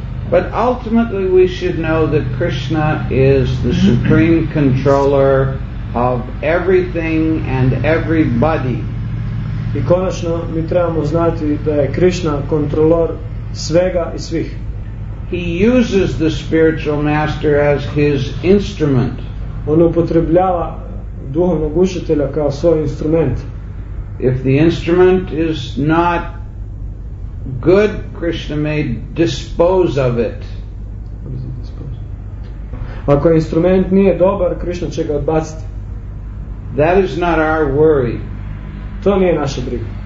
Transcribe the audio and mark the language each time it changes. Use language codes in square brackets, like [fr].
[en] But ultimately we should know that Krishna is the supreme controller of everything and everybody. [hr] I konačno mi trebamo znati da je Krishna kontrolor svega i svih. [en] He uses the spiritual master as his instrument. [hr] On upotrebljava duhovnog učitelja kao svoj instrument. [en] If the instrument is not good, Krishna may dispose of it. [hr] Ako instrument nije dobar, Krishna će ga odbaciti. [en] That is not our worry. [hr] To nije naša briga.